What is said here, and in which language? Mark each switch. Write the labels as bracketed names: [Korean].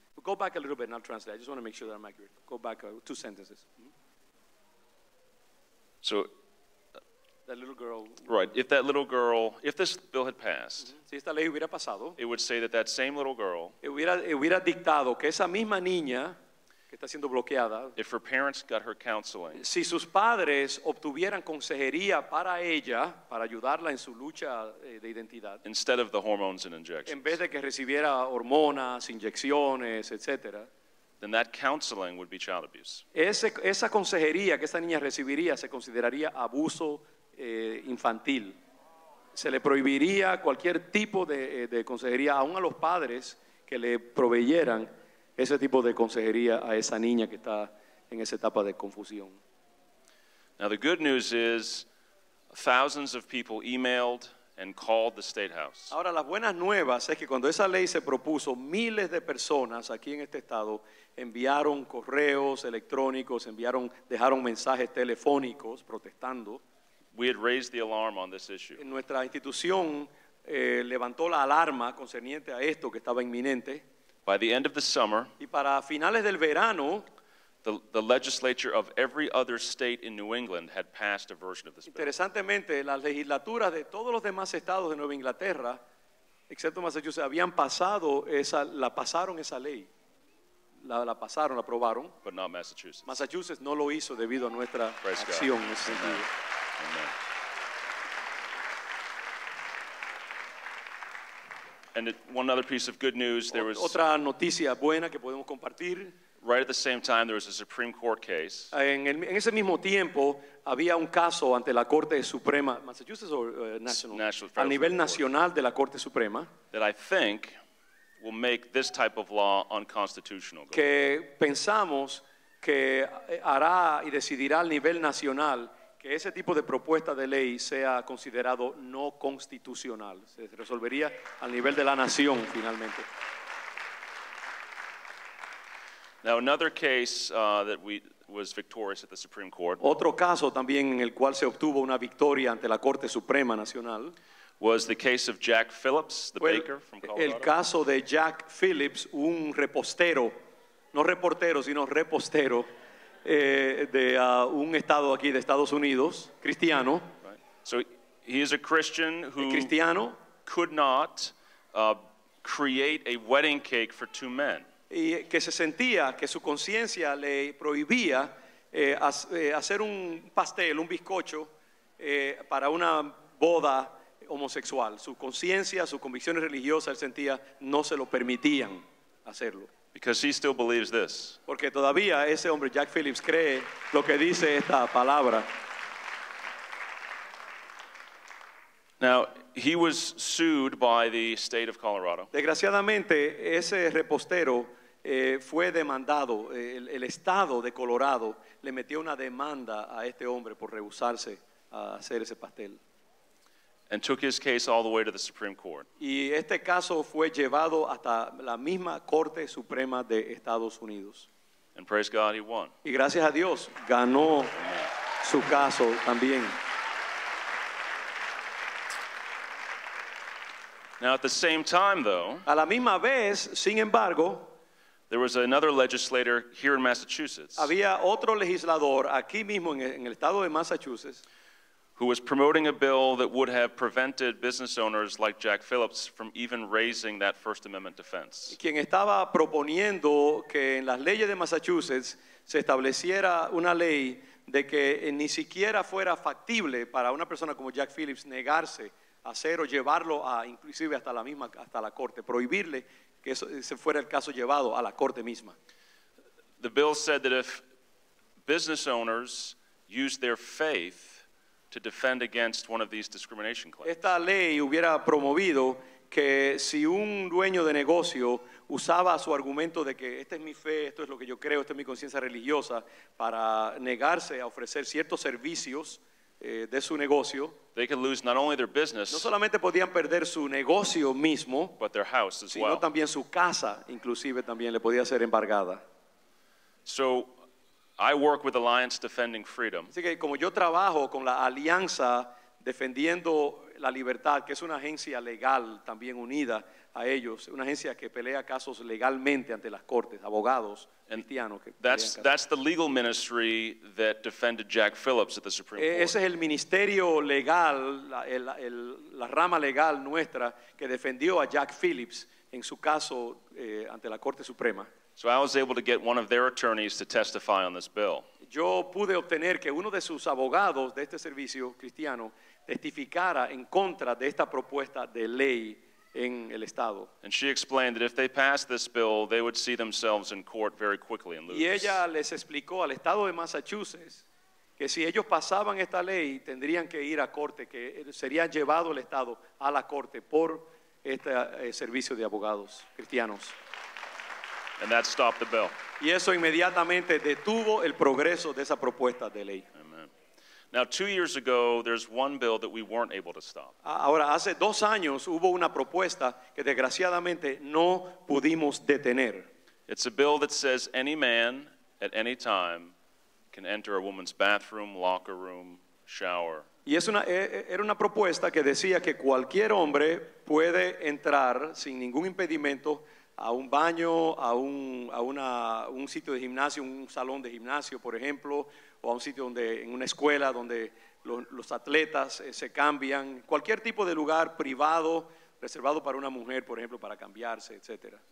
[English] Go back a little bit and I'll translate. I just want to make sure that I'm accurate. Go back two sentences. Mm-hmm. So, that little girl. Right. If that little girl, if this bill had passed, [Spanish] mm-hmm. Si esta ley hubiera pasado, [English] it would say that same little girl, [Spanish] hubiera dictado que esa misma niña que está siendo bloqueada, [English] if her parents got her counseling, [Spanish] si sus padres obtuvieran consejería para ella, para ayudarla en su lucha de identidad, [English] instead of the hormones and injections, [Spanish] en vez de que recibiera hormonas, inyecciones, etc., [English] then that counseling would be child abuse. [Spanish] Esa consejería que esta niña recibiría se consideraría abuso infantil. Se le prohibiría cualquier tipo de consejería, aún a los padres que le proveyeran ese tipo de consejería a esa niña que está en esa etapa de confusión. [English] Now the good news is thousands of people emailed and called the State House. [Spanish] Ahora las buenas nuevas es que cuando esa ley se propuso, miles de personas aquí en este estado enviaron correos electrónicos, dejaron mensajes telefónicos protestando. [English] We had raised the alarm on this issue. [Spanish] En nuestra institución levantó la alarma concerniente a esto que estaba inminente. [English] By the end of the summer, [Spanish] y para finales del verano, [English] the legislature of every other state in New England had passed a version of this bill. [Spanish] Interesantemente, las legislaturas de todos los demás estados de Nueva Inglaterra, excepto Massachusetts, la aprobaron. [English] But not Massachusetts. [Spanish] Massachusetts no lo hizo debido a nuestra acción en ese sentido. [English] And one other piece of good news, there was [Spanish] otra noticia buena que podemos compartir. [English] Right at the same time, there was a Supreme Court case. [Spanish] En ese mismo tiempo había un caso ante la Corte Suprema, [English] Massachusetts or national? National. [Spanish] A nivel nacional de la Corte Suprema. [English] That I think will make this type of law unconstitutional. [Spanish] Que pensamos que hará y decidirá al nivel nacional que ese tipo de propuesta de ley sea considerado no constitucional. Se resolvería al nivel de la nación, finalmente. [English] Now, another case that was victorious at the Supreme Court. [Spanish] Otro caso también en el cual se obtuvo una victoria ante la Corte Suprema Nacional. [English] Was the case of Jack Phillips, the baker from Colorado. [Spanish] El caso de Jack Phillips, un repostero, no reportero, sino repostero, un estado aquí de Estados Unidos, cristiano. [English] Right. So he is a Christian who [Spanish] cristiano [English] could not create a wedding cake for two men. [Spanish] Y que se sentía que su conciencia le prohibía hacer un pastel, un bizcocho para una boda homosexual. Su conciencia, sus convicciones religiosas, él sentía no se lo permitían hacerlo. [English] Because he still believes this. [Spanish] Porque todavía ese hombre, Jack Phillips, cree lo que dice esta palabra. [English] Now, he was sued by the state of Colorado. [Spanish] Desgraciadamente, ese repostero fue demandado. El estado de Colorado le metió una demanda a este hombre por rehusarse a hacer ese pastel. [English] And took his case all the way to the Supreme Court. [Spanish] Y este caso fue llevado hasta la misma Corte Suprema de Estados Unidos. [English] And praise God, he won. [Spanish] Y gracias a Dios, ganó su caso también. [English] Now at the same time, though, [Spanish] a la misma vez, sin embargo, [English] there was another legislator here in Massachusetts. [Spanish] Había otro legislador aquí mismo en el estado de Massachusetts. [English] Who was promoting a bill that would have prevented business owners like Jack Phillips from even raising that First Amendment defense. [Spanish] Quien estaba proponiendo que en las leyes de Massachusetts se estableciera una ley de que ni siquiera fuera factible para una persona como Jack Phillips negarse a hacer o llevarlo a inclusive hasta la corte, prohibirle que ese fuera el caso llevado a la corte misma. [English] The bill said that if business owners use their faith to defend against one of these discrimination claims. [Spanish] Esta ley hubiera promovido que si un dueño de negocio usaba su argumento de que esta es mi fe, esto es lo que yo creo, esta es mi conciencia religiosa, para negarse a ofrecer ciertos servicios de su negocio, [English] they could lose not only their business, [Spanish] no solamente podían perder su negocio mismo, [English] but their house as [Spanish] sino [English] well. [Spanish] También su casa, inclusive también le podía ser embargada. [English] So, I work with Alliance Defending Freedom. [Spanish] Así que como yo trabajo con la Alianza Defendiendo la Libertad, que es una agencia legal también unida a ellos, una agencia que pelea casos legalmente ante las cortes, abogados cristianos. [English] That's the legal ministry that defended Jack Phillips at the Supreme Court. [Spanish] Ese es el ministerio legal, la rama legal nuestra que defendió a Jack Phillips en su caso ante la Corte Suprema. [English] So I was able to get one of their attorneys to testify on this bill. [Spanish] Yo pude obtener que uno de sus abogados de este servicio cristiano testificara en contra de esta propuesta de ley en el estado. [English] And she explained that if they passed this bill, they would see themselves in court very quickly and lose. [Spanish] Y ella les explicó al estado de Massachusetts que si ellos pasaban esta ley tendrían que ir a corte, que sería llevado el Estado a la corte por este servicio de abogados cristianos. [English] And that stopped the bill. [Spanish] Y eso inmediatamente detuvo el progreso de esa propuesta de ley. [English] Amen. Now, 2 years ago, there's one bill that we weren't able to stop. [Spanish] Ahora, hace 2 años hubo una propuesta que desgraciadamente no pudimos detener. [English] It's a bill that says any man at any time can enter a woman's bathroom, locker room, shower. [Spanish] Y era una propuesta que decía que cualquier hombre puede entrar sin ningún impedimento a un baño, a un sitio de gimnasio, un salón de gimnasio, por ejemplo, o a un sitio donde, en una escuela donde los atletas se cambian, cualquier tipo de lugar privado, reservado para una mujer, por ejemplo, para cambiarse, etc.